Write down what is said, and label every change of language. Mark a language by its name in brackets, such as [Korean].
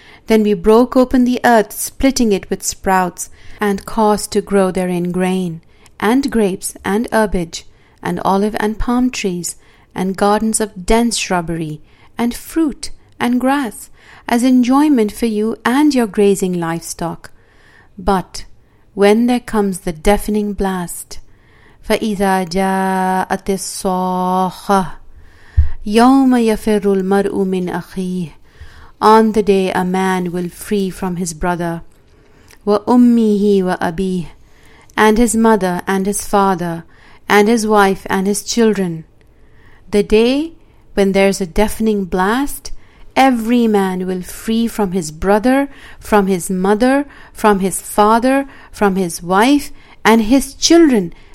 [English] Then we broke open the earth, splitting it with sprouts, and caused to grow therein grain, and grapes, and herbage, and olive and palm trees, and gardens of dense shrubbery, and fruit, and grass, as enjoyment for you and your grazing livestock. But when there comes the deafening blast, [Arabic] فَإِذَا جَاءَتِ الصَّاخَّةُ يَوْمَ يَفِرُّ الْمَرْءُ مِنْ أَخِيهِ. [English] On the day a man will free from his brother, [Arabic] وَأُمِّهِ وَأَبِيهِ, [English] and his mother and his father, and his wife and his children. The day when there's a deafening blast, every man will free from his brother, from his mother, from his father, from his wife, and his children.